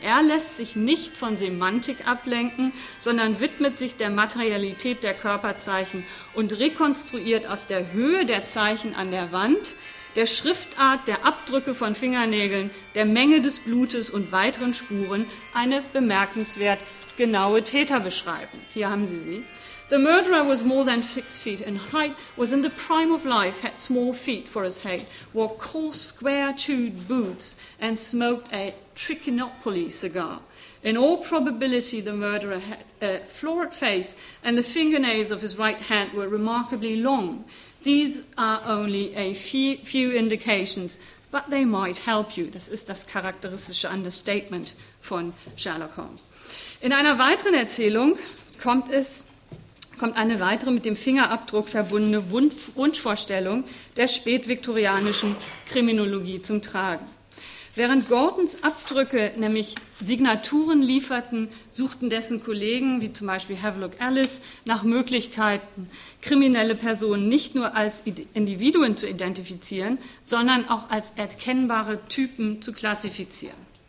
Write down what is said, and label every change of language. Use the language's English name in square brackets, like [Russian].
[German] Er lässt sich nicht von Semantik ablenken, sondern widmet sich der Materialität der Körperzeichen und rekonstruiert aus der Höhe der Zeichen an der Wand, der Schriftart, der Abdrücke von Fingernägeln, der Menge des Blutes und weiteren Spuren eine bemerkenswert genaue Täterbeschreibung. Hier haben Sie sie. [English] The murderer was more than 6 feet in height, was in the prime of life, had small feet for his height, wore coarse square-toed boots and smoked a Trichinopoly cigar. In all probability, the murderer had a florid face and the fingernails of his right hand were remarkably long. These are only a few indications, but they might help you. [German] Das ist das charakteristische Understatement von Sherlock Holmes. In einer weiteren Erzählung kommt eine weitere mit dem Fingerabdruck verbundene Wunschvorstellung der spätviktorianischen Kriminologie zum Tragen. Während Gordons Abdrücke nämlich Signaturen lieferten, suchten dessen Kollegen, wie zum Beispiel Havelock Ellis, nach Möglichkeiten, kriminelle Personen nicht nur als Individuen zu identifizieren, sondern auch als erkennbare Typen zu klassifizieren.